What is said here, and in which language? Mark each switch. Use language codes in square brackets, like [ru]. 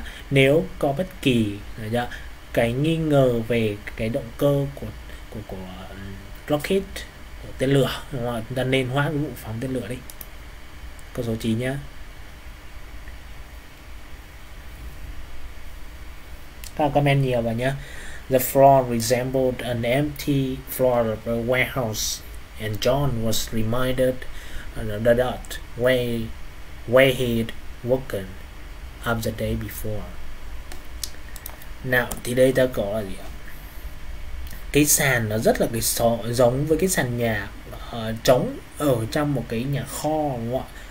[vi] Nếu có bất kỳ cái nghi ngờ về cái động cơ của rocket, của tên lửa, chúng ta nên hoãn vụ phóng tên lửa đi. Câu số 9 nhá. Các comment nhiều vào nhá. [en] The floor resembled an empty floor of a warehouse and John was reminded the dot way he'd woken up the day before. [vi] Nào thì đây ta có là gì? Cái sàn nó rất là cái giống với cái sàn nhà trống ở trong một cái nhà kho, đúng không?